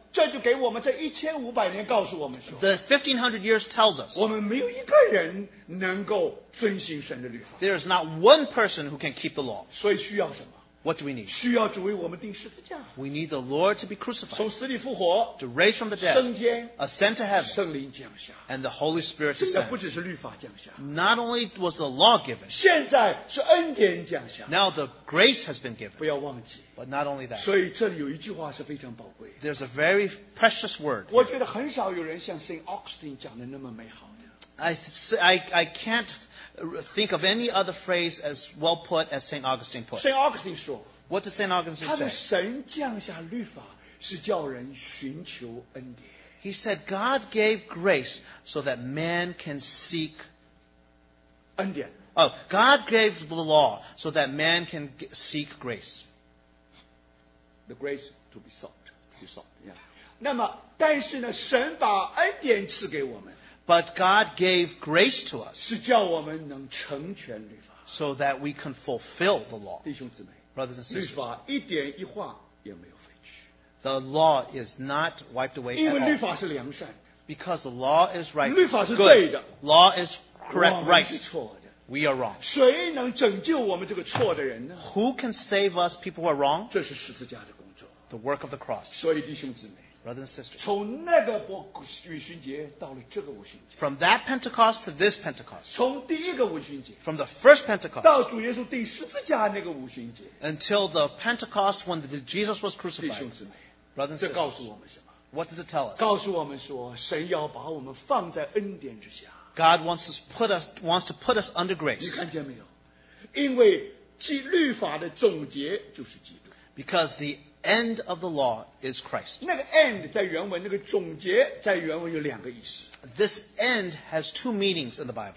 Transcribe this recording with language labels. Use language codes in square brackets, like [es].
[zh] 这就给我们这1500年告诉我们说, [en] the 1500 years tells us, there is not one person who can keep the law. [zh] 所以需要什么? [en] What do we need? [zh] 需要主为我们钉十字架, [en] we need the Lord to be crucified. [zh] 从死里复活, [en] to raise from the dead. [zh] 升天, [en] ascend to heaven. [zh] 圣灵降下, [en] and the Holy Spirit descend. Not only was the law given, [zh] 现在是恩典降下, [en] now the grace has been given. [zh] 不要忘记, [en] but not only that. [zh] 所以这里有一句话是非常宝贵, [en] there's a very precious word. [zh] 我觉得很少有人像 St. Augustine 讲的那么美好的。 [en] I can't think of any other phrase as well put as St. Augustine put. [zh] St. Augustine 说, [en] what does St. Augustine say? [zh] 他的神降下律法是叫人寻求恩典。 [en] He said God gave grace so that man can seek [zh] 恩典。 [en] Oh, God gave the law so that man can seek grace. The grace to be sought. To be sought, yeah. [zh] 那么,但是呢, 神把恩典赐给我们, [en] but God gave grace to us [zh] 是叫我们能成全律法, [en] so that we can fulfill the law. [zh] 弟兄姊妹, [en] brothers and sisters, [zh] 律法一点一画也没有废去, [en] the law is not wiped away at all. [zh] 因为律法是良善, [en] because the law is right. [zh] 律法是对的, [en] law is correct, right. [zh] 我们是错的, [en] we are wrong. [zh] 谁能拯救我们这个错的人呢? [en] Who can save us, people who are wrong? [zh] 这是十字架的工作, [en] the work of the cross. [zh] 所以弟兄姊妹, [en] brothers and sisters. [zh] 从那个五旬节到了这个五旬节, [en] from that Pentecost to this Pentecost. [zh] 从第一个五旬节, [en] from the first Pentecost. [zh] 到主耶稣钉十字架那个五旬节, [en] until the Pentecost when Jesus was crucified. [zh] 弟兄姊妹, [en] brothers and sisters. What does it tell us? [zh] 告诉我们说神要把我们放在恩典之下。 [en] God wants to put us under grace. [zh] 你看见没有? 因为律法的总结就是基督。 [en] Because the end of the law is Christ. [zh] 那个end在原文, 那个总结在原文有两个意思。 [en] This end has two meanings in the Bible.